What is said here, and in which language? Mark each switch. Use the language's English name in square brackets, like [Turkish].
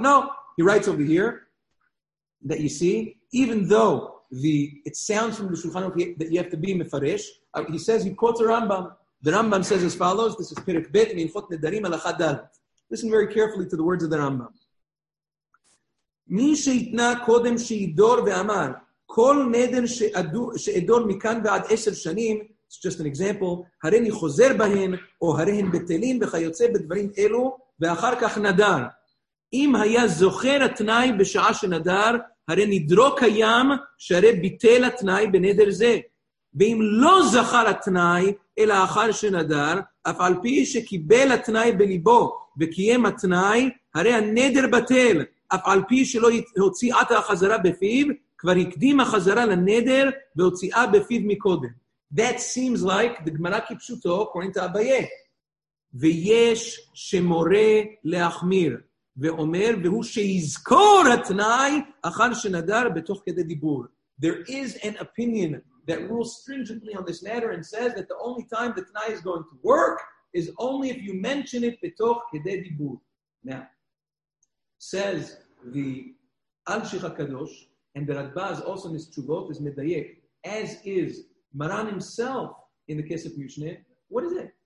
[English] No, he writes over here that you see, even though it sounds from the Shulchan Aruch that you have to be Mefaresh, he says, he quotes a Rambam. The Rambam says as follows, this is Pirek Bet, Minchot Nedarim Alacha Dalet. Listen very carefully to the words of the Rambam. [Hebrew] מי שיתנה קודם שידור ואמר, כל נדר שידור מכאן ועד 10 שנים, [English] it's just an example, [Hebrew] הרי אני חוזר בהן, או הרי הן בטלים, וכיוצא בדברים אלו, ואחר כך נדר. אם היה זוכר התנאי בשעה שנדר, הרי נדרו קיים, שהרי ביטל התנאי בנדר זה. ואם לא זכר התנאי, אלא אחר שנדר, אף על פי שקיבל התנאי בליבו, וקיים התנאי, הרי הנדר בטל. אף על פי שלא הוציאה את החזרה בפיו, כבר הקדים החזרה לנדר והוציאה בפיו מקודם. [English] That seems like the Gemara [Hebrew] כפשוטו, קוראים את הבאיה. ויש שמורה להחמיר, ואומר, והוא שיזכור התנאי אחר שנדר בתוך כדי דיבור. [English] There is an opinion that rules stringently on this matter and says that the only time the תנאי is going to work is only if you mention it [Hebrew] בתוך כדי דיבור. [English] Now, says the Alshich HaKadosh, and the Radbaz also in his Tshuvot is Medayek, as is Maran himself in the case of Mishneh. What is it?